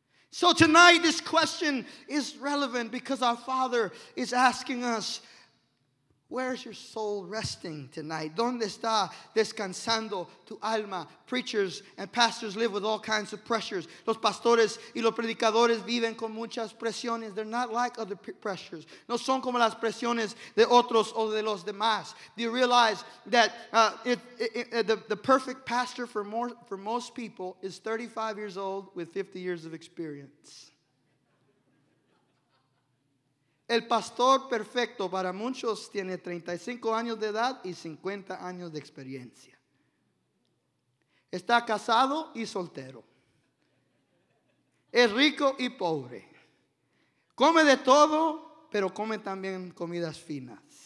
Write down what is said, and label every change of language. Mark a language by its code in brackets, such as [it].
[en] So tonight this question is relevant because our Father is asking us, where's your soul resting tonight? [es] ¿Dónde está descansando tu alma? [en] Preachers and pastors live with all kinds of pressures. [es] Los pastores y los predicadores viven con muchas presiones. [en] They're not like other pressures. [es] No son como las presiones de otros o de los demás. [en] Do you realize that the perfect pastor for most people is 35 years old with 50 years of experience? [es] El pastor perfecto para muchos tiene 35 años de edad y 50 años de experiencia. Está casado y soltero. Es rico y pobre. Come de todo, pero come también comidas finas.